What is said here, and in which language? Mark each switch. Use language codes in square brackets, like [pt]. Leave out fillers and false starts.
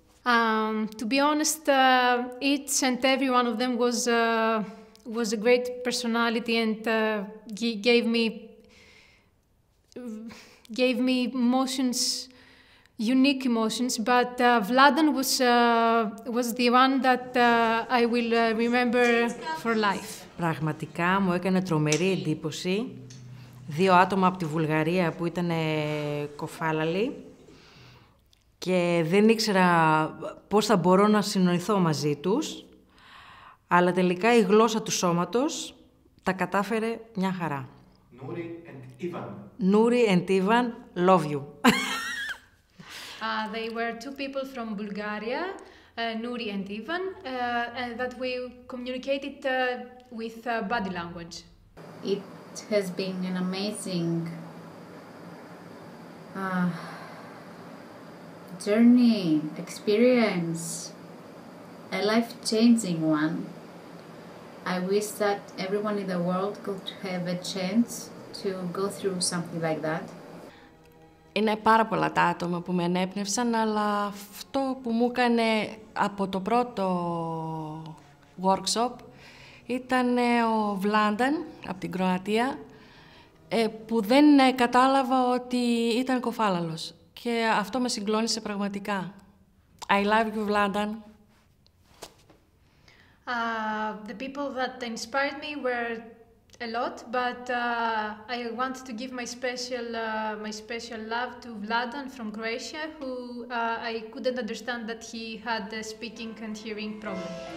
[en] To be honest, each and every one of them was a great personality, and he gave me emotions, unique emotions, but Vladan was the one that I will remember for life. [el] Πραγματικά μου έκανε τρομερή εντύπωση δύο άτομα από τη Βουλγαρία που ήταν κοφάλαλοι και δεν ήξερα πώς θα μπορώ να συνοηθώ μαζί τους, αλλά τελικά η γλώσσα του σώματος τα κατάφερε μια χαρά. [en] Nuri and Ivan, love you. They were two people from Bulgaria, Nuri and Ivan, and that we communicated with body language. It has been an amazing journey, experience, a life-changing one. I wish that everyone in the world could have a chance to go through something like that. [el] Είναι πάρα πολλά τα άτομα που με ενέπνευσαν, αλλά αυτό που μου έκανε από το πρώτο workshop ήταν ο Βλάνταν από την Κροατία. που δεν κατάλαβα ότι ήταν κοφάλαλος. Και αυτό με συγκλώνησε πραγματικά. [en] I love you, Vladan. The people that inspired me were a lot, but I want to give my special love to Vladan from Croatia, who I couldn't understand that he had a speaking and hearing problem.